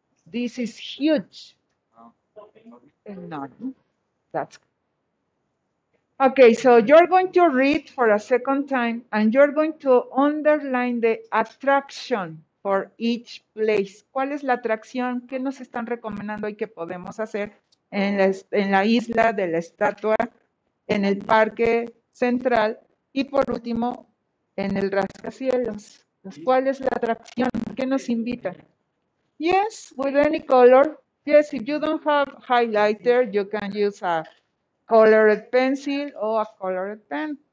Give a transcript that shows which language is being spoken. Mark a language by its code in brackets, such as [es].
[en] This is huge. Enormous. That's okay. So you're going to read for a second time and you're going to underline the attraction for each place. [es] ¿Cuál es la atracción? ¿Qué nos están recomendando y qué podemos hacer en la isla de la estatua, en el parque central y por último, en el rascacielos? ¿Cuál es la atracción? ¿Qué nos invita? [en] Yes, with any color. Yes, if you don't have highlighter, you can use a colored pencil or a colored pen.